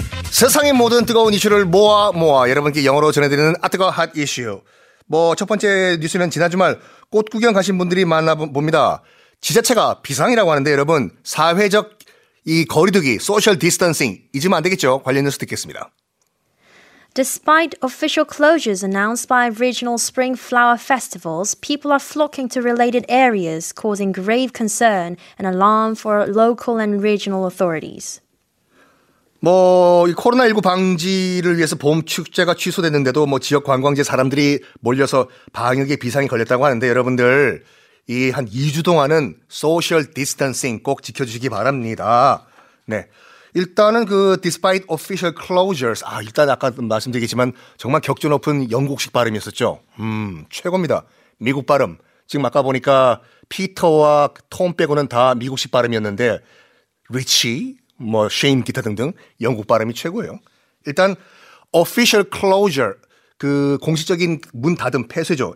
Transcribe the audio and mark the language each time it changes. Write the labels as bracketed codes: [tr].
[ko] 세상의 모든 뜨거운 이슈를 모아 모아 여러분께 영어로 전해드리는 아뜨거 핫이슈. 뭐, 첫 번째 뉴스는 지난 주말 꽃 구경 가신 분들이 많나 봅니다. 지자체가 비상이라고 하는데 여러분, 사회적 이 거리두기, 소셜 디스턴싱 잊으면 안 되겠죠? 관련 뉴스 듣겠습니다. [en] Despite official closures announced by regional spring flower festivals, people are flocking to related areas, causing grave concern and alarm for local and regional authorities. [ko] 뭐, 이 코로나19 방지를 위해서 봄 축제가 취소됐는데도 뭐 지역 관광지 사람들이 몰려서 방역에 비상이 걸렸다고 하는데 여러분들, 이 한 2주 동안은 소셜 디스턴싱 꼭 지켜주시기 바랍니다. 네. 일단은 그 [en] despite official closures. [ko] 아, 일단 아까 말씀드리겠지만 정말 격조 높은 영국식 발음이었었죠. 최고입니다. 미국 발음. 지금 아까 보니까 피터와 톰 빼고는 다 미국식 발음이었는데 리치, 뭐 쉐인 기타 등등 영국 발음이 최고예요. 일단 official closure 그 공식적인 문 닫음 폐쇄죠.